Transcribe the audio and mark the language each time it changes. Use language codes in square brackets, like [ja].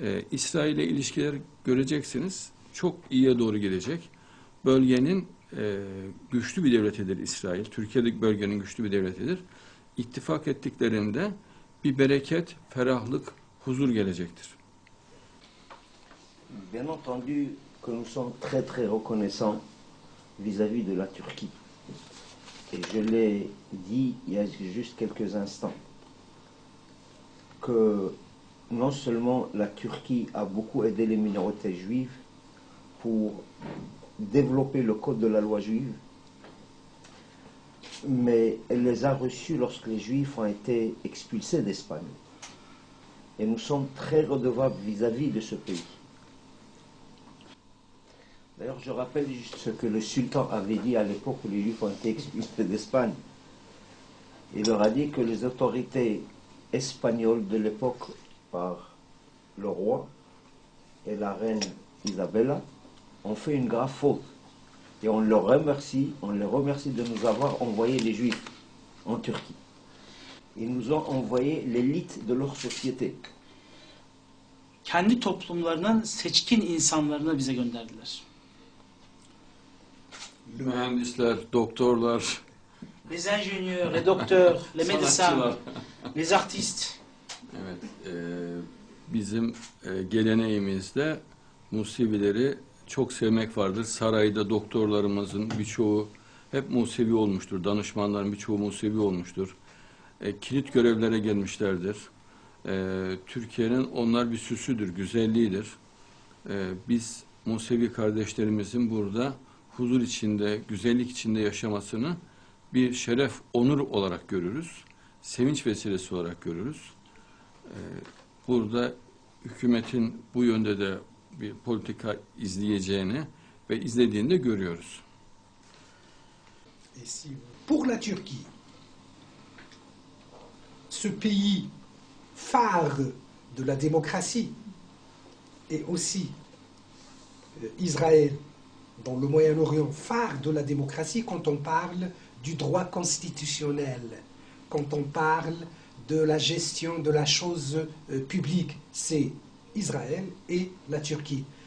[tr] İsrail'e ilişkiler göreceksiniz. Çok iyiye doğru gelecek. Bölgenin güçlü bir devletidir İsrail. Türkiye'deki bölgenin güçlü bir devletidir. İttifak ettiklerinde bir bereket, ferahlık, huzur gelecektir. [fr] Bien entendu que nous sommes très très reconnaissants vis-à-vis de la Turquie. Et je l'ai dit il y a juste quelques instants que non seulement la Turquie a beaucoup aidé les minorités juives pour développer le code de la loi juive, mais elle les a reçus lorsque les juifs ont été expulsés d'Espagne. Et nous sommes très redevables vis-à-vis de ce pays. D'ailleurs, je rappelle juste ce que le sultan avait dit à l'époque où les juifs ont été expulsés d'Espagne. Il leur a dit que les autorités espagnoles de l'époque, par le roi et la reine Isabella, ont fait une grave faute. Et on les remercie de nous avoir envoyé les juifs en Turquie. Ils nous ont envoyé l'élite de leur société. [tr] Kendi toplumlarının seçkin insanlarını bize gönderdiler. Mühendisler, doktorlar. [fr] Les ingénieurs, les docteurs, les médecins, les artistes. [tr] Evet, bizim geleneğimizde Musevileri çok sevmek vardır. Sarayda doktorlarımızın birçoğu hep Musevi olmuştur. Danışmanların birçoğu Musevi olmuştur. Kilit görevlere gelmişlerdir. Türkiye'nin onlar bir süsüdür, güzelliğidir. Biz Musevi kardeşlerimizin burada huzur içinde, güzellik içinde yaşamasını bir şeref, onur olarak görürüz. Sevinç vesilesi olarak görürüz. Burada hükümetin bu yönde de bir politika izleyeceğini ve izlediğini de görüyoruz. [fr] Pour la Turquie, ce pays phare de la démocratie et aussi Israël dans le Moyen-Orient, phare de la démocratie quand on parle du droit constitutionnel, quand on parle de la gestion de la chose publique, c'est Israël et la Turquie.